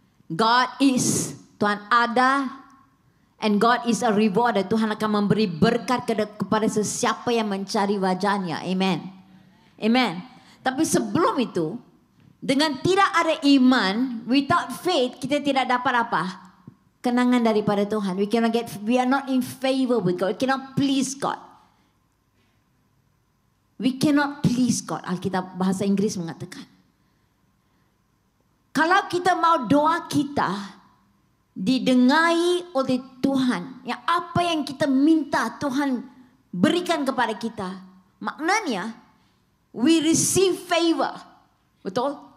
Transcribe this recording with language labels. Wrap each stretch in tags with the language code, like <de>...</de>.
<en>God is,</en> <ms>Tuhan ada,</ms> <en>and God is a rewarder.</en> <ms>Tuhan akan memberi berkat kepada sesiapa yang mencari wajahnya. Amen. Amen. Tapi sebelum itu, dengan tidak ada iman,</ms> <en>without faith,</en> <ms>kita tidak dapat apa? Kenangan daripada Tuhan.</ms> <en>We cannot get, we are not in favor with God. We cannot please God. We cannot please God.</en> <ms>Alkitab bahasa Inggris mengatakan. Kalau kita mau doa kita didengari oleh Tuhan, ya apa yang kita minta Tuhan berikan kepada kita, maknanya,</ms> <en>we receive favor.</en> <ms>Betul?</ms>